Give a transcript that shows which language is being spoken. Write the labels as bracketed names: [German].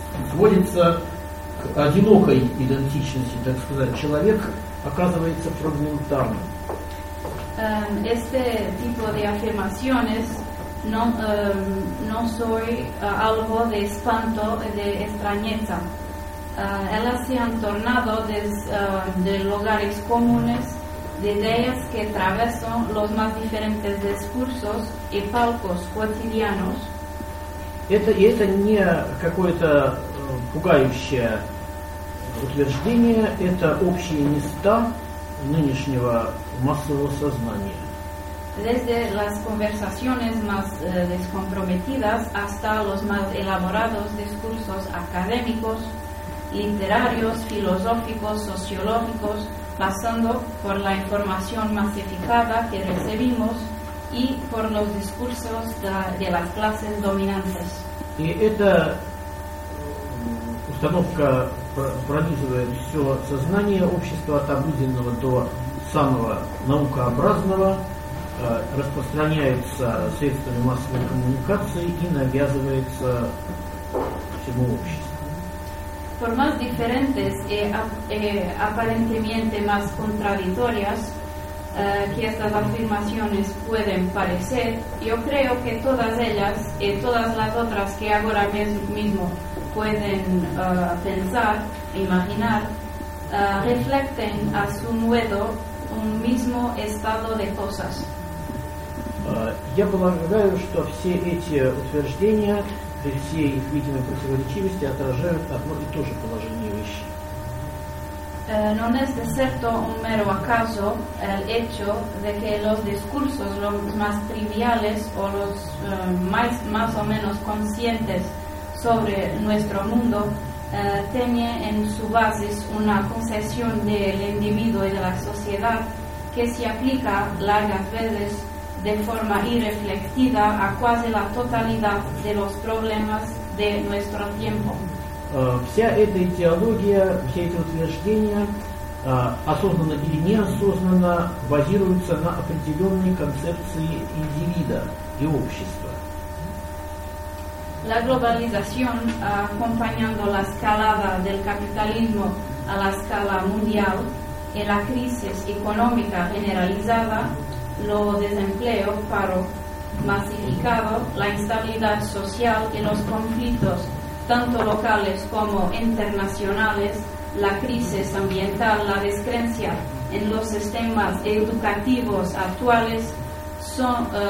[Russian] Сводится к одинокой идентичности, так сказать. Человек оказывается фрагментарным. [Spanish] Este tipo de afirmaciones no soy algo de espanto, de extrañeza. Ellas se han tornado de lugares comunes, de ideas que atravesan los más diferentes discursos y palcos cotidianos. [Russian] Это не какое-то пугающее утверждение, это общие места нынешнего массового сознания. [Spanish] Desde las conversaciones más descomprometidas hasta los más elaborados discursos académicos, literarios, filosóficos, sociológicos, pasando por la información masificada que recibimos y por los discursos de las clases dominantes. [Russian] И эта установка пронизывает все сознание общества от обыденного до самого наукообразного, распространяется средствами массовой коммуникации и навязывается всему обществу. [Spanish] formas diferentes y aparentemente más contradictorias que estas afirmaciones pueden parecer, yo creo que todas ellas y todas las otras que ahora mismo pueden pensar, imaginar, reflejan a su modo un mismo estado de cosas. [Russian] Я полагаю, что все эти утверждения при всей их видимой противоречивости отражают одно и то же положение вещей. [Spanish] No es de cierto un mero acaso el hecho de que los discursos los más triviales o los más o menos conscientes sobre nuestro mundo tienen en su base una concepción del individuo y de la sociedad que se aplica largas veces de forma irreflexiva a casi la totalidad de los problemas de nuestro tiempo. [Russian] Вся эта идеология, все эти утверждения, осознанно или неосознанно, базируются на определенной концепции индивида и общества. [Spanish] La globalización, acompañando la escalada del capitalismo a la escala mundial, y la crisis económica generalizada, lo desempleo, paro masificado, la instabilidad social y los conflictos tanto locales como internacionales, la crisis ambiental, la descreencia en los sistemas educativos actuales son